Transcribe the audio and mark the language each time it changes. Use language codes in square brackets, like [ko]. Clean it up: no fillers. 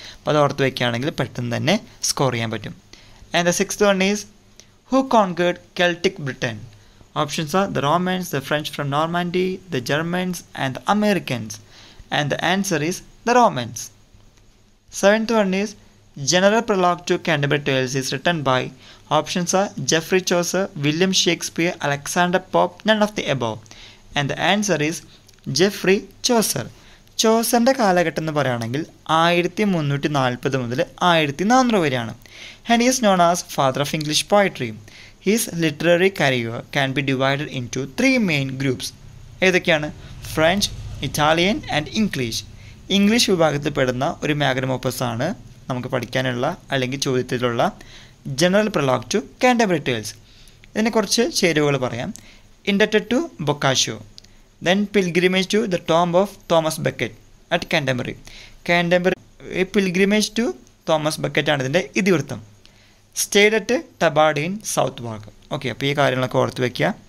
[ml] അപ്പോൾ അത് ഓർത്ത് വയ്ക്കുകയാണെങ്കിൽ പെട്ടെന്ന് തന്നെ സ്കോർ ചെയ്യാൻ പറ്റും. [en] And the sixth one is who conquered Celtic Britain. Options are the Romans, the French from Normandy, the Germans and the Americans. And the answer is the Romans. Seventh one is general prologue to Canterbury Tales is written by. Options are Geoffrey Chaucer, William Shakespeare, Alexander Pope, none of the above. And the answer is Geoffrey Chaucer. [ml] ചോസറിൻ്റെ കാലഘട്ടം എന്ന് പറയുകയാണെങ്കിൽ 1340 മുതൽ 1400 വരെയാണ്. [en] And is known as father of English poetry. He's literary career can be divided into 3 main groups. [ml] ഏതൊക്കെയാണ്? French, Italian and English. English വിഭാഗത്തിൽ പെടുന്ന ഒരു മാഗ്നമോപ്പസാണ് നമുക്ക് പഠിക്കാനുള്ള അല്ലെങ്കിൽ ചോദ്യത്തിലുള്ള general Prolog to Canterbury tales. ഇതിനെക്കുറിച്ച് ചേരുവകൾ പറയാം. [en] Indebted to Boccaccio. Then pilgrimage to the tomb of Thomas Becket at Canterbury. Canterbury pilgrimage to Thomas Becket and then ithivrutham. Stayed at Tabard in Southwark. Okay, [ml] appo ee kaaryangal korthu vekkya.